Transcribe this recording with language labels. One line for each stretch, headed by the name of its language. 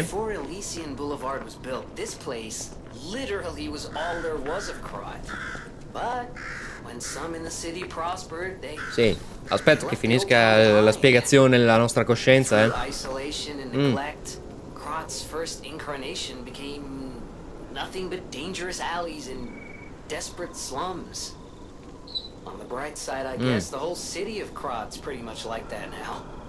English: Before Elysian Boulevard was built, this place literally was all there was of Krat. But when some in the city prospered, they...
Italian: Sì, aspetta che finisca la spiegazione nella nostra coscienza, eh.
English: Isolation and neglect, Krat's first incarnation became nothing but dangerous alleys and desperate slums. On the bright side, I guess the whole city of Krat's pretty much like that now.